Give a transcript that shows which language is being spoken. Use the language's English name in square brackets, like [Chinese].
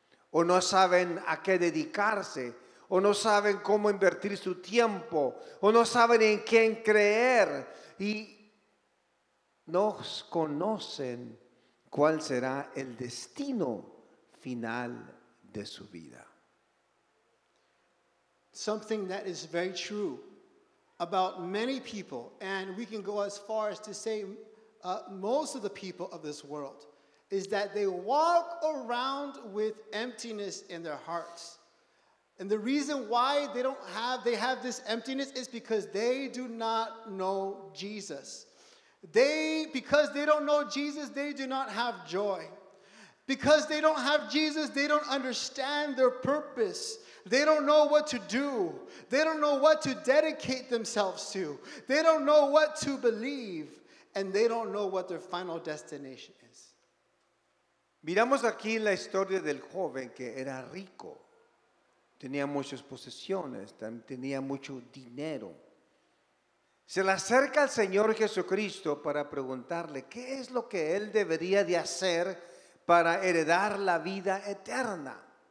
[Spanish] O no saben a qué dedicarse, o no saben cómo invertir su tiempo, o no saben en quién creer, y no conocen cuál será el destino final de su vida. [English] Something that is very true about many people, and we can go as far as to say most of the people of this world, is that they walk around with emptiness in their hearts. And the reason why they have this emptiness is because they do not know Jesus. Because they don't know Jesus, they do not have joy. Because they don't have Jesus, they don't understand their purpose. They don't know what to do. They don't know what to dedicate themselves to. They don't know what to believe. And they don't know what their final destination is. [Spanish] Miramos aquí la historia del joven que era rico. tenía muchas posesiones, también tenía mucho dinero. Se le acerca al Señor Jesucristo para preguntarle qué es lo que él debería de hacer para heredar la vida eterna.